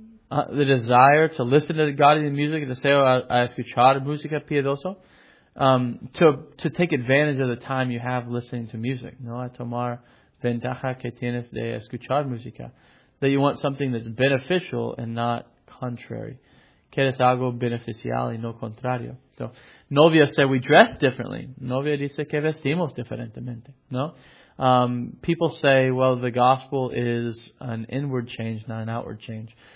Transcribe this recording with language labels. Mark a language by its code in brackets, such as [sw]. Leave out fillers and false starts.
[en] The desire to listen to godly music, [es] deseo a escuchar música piedoso, [en] to take advantage of the time you have listening to music. [es] No, a tomar ventaja que tienes de escuchar música. [en] That you want something that's beneficial and not contrary. [es] Quieres algo beneficial y no contrario. [en] So, novia said we dress differently. [es] Novia dice que vestimos diferentemente. No? [en] People say, well, the gospel is an inward change, not an outward change.